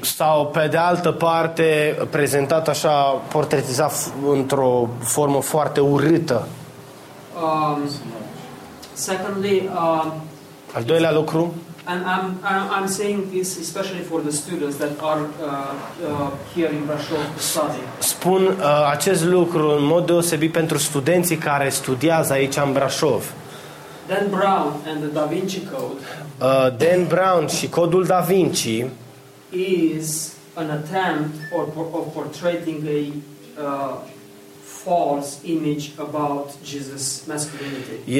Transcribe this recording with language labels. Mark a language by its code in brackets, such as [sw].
[ro] Sau pe de altă parte, prezentat așa, portretizat într-o formă foarte urâtă. [en] Secondly, [ro] al doilea lucru. [en] And I'm saying this especially for the students that are here in Brașov to study. [ro] Spun acest lucru în mod deosebit pentru studenții care studiază aici în Brașov. [en] Dan Brown and the Da Vinci Code. [ro] Dan Brown și codul Da Vinci [en] is an attempt of portraying a false image about Jesus' masculinity.